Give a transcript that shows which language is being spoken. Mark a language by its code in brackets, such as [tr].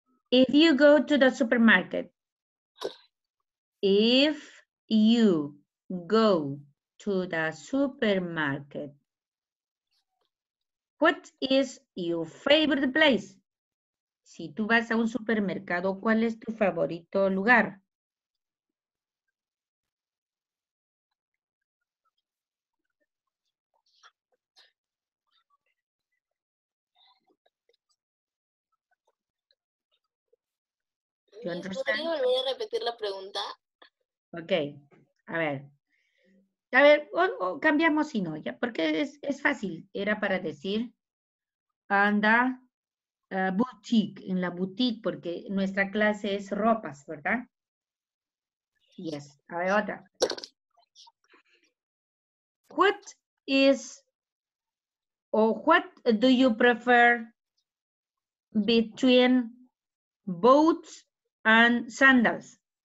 [en] If you go to the supermarket, what is your favorite place? [es] Si tú vas a un supermercado, ¿cuál es tu favorito lugar? ¿Puedes volver a repetir la pregunta? Ok. A ver, o cambiamos si no, ya, porque es fácil. Era para decir, anda boutique, en la boutique, porque nuestra clase es ropas, ¿verdad? Yes. A ver, otra. [en] What do you prefer between boots and sandals?